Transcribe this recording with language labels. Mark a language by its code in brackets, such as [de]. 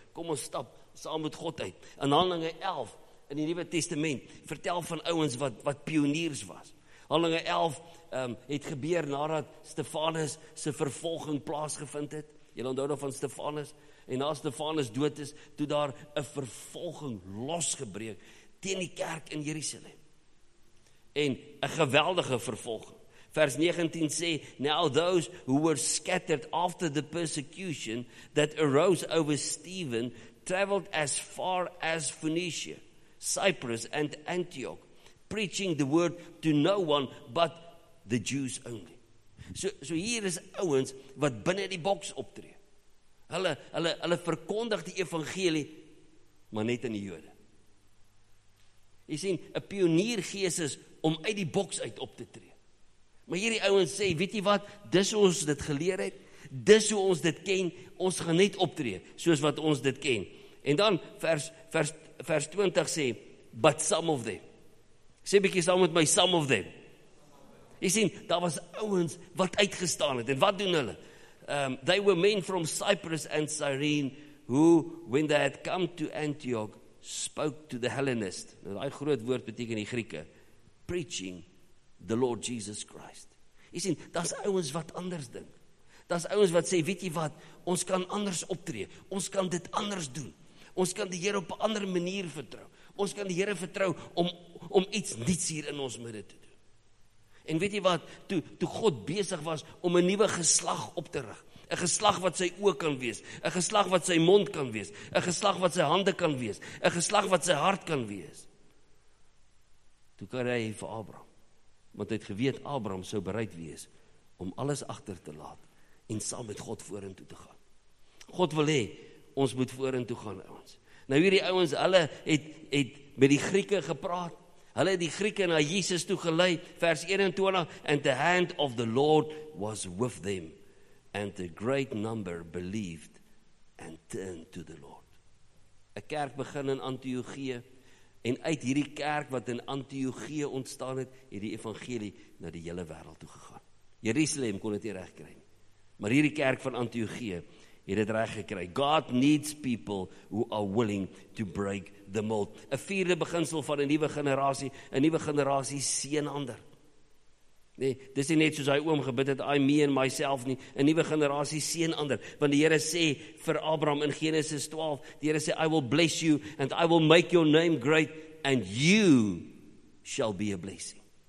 [af] Kom ons stap saam met God uit. In Handelinge 11, in die Nuwe Testament, vertel van ouens wat pioniers was. Handelinge 11 het gebeur nadat Stefanus se vervolging plaasgevind het. Jy onthou nog van Stefanus. En na Stefanus dood is, toe daar 'n vervolging losgebreek teen die kerk in Jerusalem. En 'n geweldige vervolging. Vers 19 sê, [en] now those who were scattered after the persecution that arose over Stephen traveled as far as Phoenicia, Cyprus and Antioch, preaching the word to no one but the Jews only. [af] So hier is ouens wat binne die boks optree. Hulle verkondig die evangelie, maar net aan die Jode. Jy sien, 'n pioniergees is om uit die boks uit op te tree. Maar hierdie ouens sê, weet jy wat, dis hoe ons dit geleer het, dis hoe ons dit ken, ons gaan net optree, soos wat ons dit ken. En dan vers 20 sê, [en] but some of them, [af] sê bykie saam met my, [en] some of them. [af] Jy sien, daar was ouens wat uitgestaan het, en wat doen hulle? [en] They were men from Cyprus and Cyrene, who, when they had come to Antioch, spoke to the Hellenist, [af] nou die groot woord beteken die Grieke, [en] preaching the Lord Jesus Christ. [af] Jy sien, da's ouens wat anders dink. Da's ouens wat sê, weet jy wat, ons kan anders optree, ons kan dit anders doen, ons kan die Here op 'n ander manier vertrou, ons kan die Here vertrou om iets niets hier in ons midde te doen. En weet jy wat, toe God besig was om 'n nuwe geslag op te rig, 'n geslag wat sy oë kan wees, 'n geslag wat sy mond kan wees, 'n geslag wat sy hande kan wees, 'n geslag wat sy hart kan wees, toe kan hy vir Abraham, want hy het geweet Abraham sou bereid wees om alles agter te laat en saam met God vorentoe te gaan. God wil hê ons moet vorentoe gaan, ouens. Nou hierdie ouens, hulle het met die Grieke gepraat. Hulle het die Grieke na Jesus toe gelei, vers 21, [en] and the hand of the Lord [af] was with them and a great number believed and turned to the Lord. 'N kerk begin in Antiochië. En uit hierdie kerk wat in Antiochië ontstaan het, het die evangelie na die hele wêreld toe gegaan. Jerusalem kon dit nie reg kry nie. Maar hierdie kerk van Antiochië het dit reg gekry. [en] God needs people who are willing to break the mold. [af] 'N vierde beginsel van 'n nuwe generasie, 'n nuwe generasie seën ander. Nee, dis nie net soos hy oom gebid het, [en] I me and myself [af] nie, 'n nuwe generasie seën ander, want die Here sê vir Abraham in Genesis 12, die Here sê, [en] I will bless you, and I will make your name great, and you shall be a blessing.